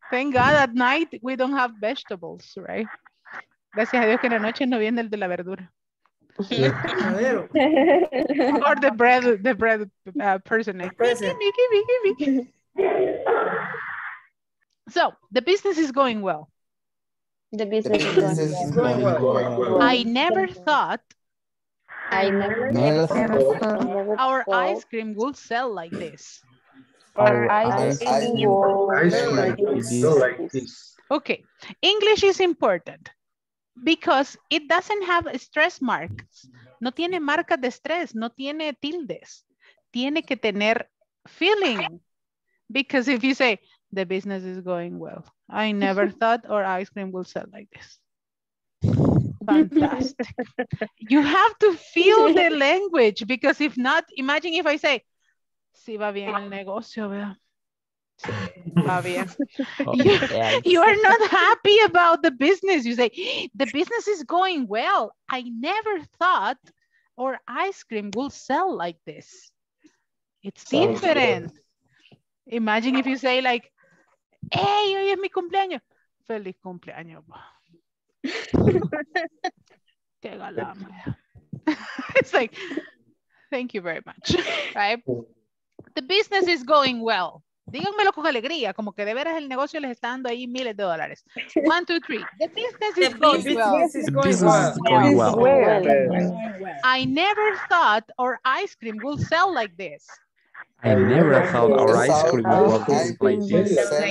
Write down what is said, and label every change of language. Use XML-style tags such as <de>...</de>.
<en>Thank God at night we don't have vegetables, right?</en> <es>Gracias a Dios que en la noche no viene el de la verdura.</es> <en>Yeah. Or the bread person. Give me. So the business is going well. The business is going well. I never thought I never our ice cream will sell like this. Okay, English is important because it doesn't have stress marks.</en> <es>No tiene marcas de estrés, no tiene tildes. Tiene que tener feeling.</es> <en>Because if you say, the business is going well, I never thought our ice cream will sell like this. Fantastic. You have to feel the language because if not, imagine if I say,</en> <es>si va bien el negocio, vea. Va bien.</es> <en>You are not happy about the business. You say, the business is going well. I never thought our ice cream will sell like this. It's different. Imagine if you say like, hey,</en> <es>hoy es mi cumpleaños. Feliz cumpleaños. Qué galama.</es> <en>It's like, thank you very much. Right? The business is going well.</en> <es>Díganmelo con alegría, como que de veras el negocio les está dando ahí miles de dólares.</es> <en>One, two, three. The business is going well. I never thought our ice cream will sell like this. I never thought our ice cream would sell like this.</en>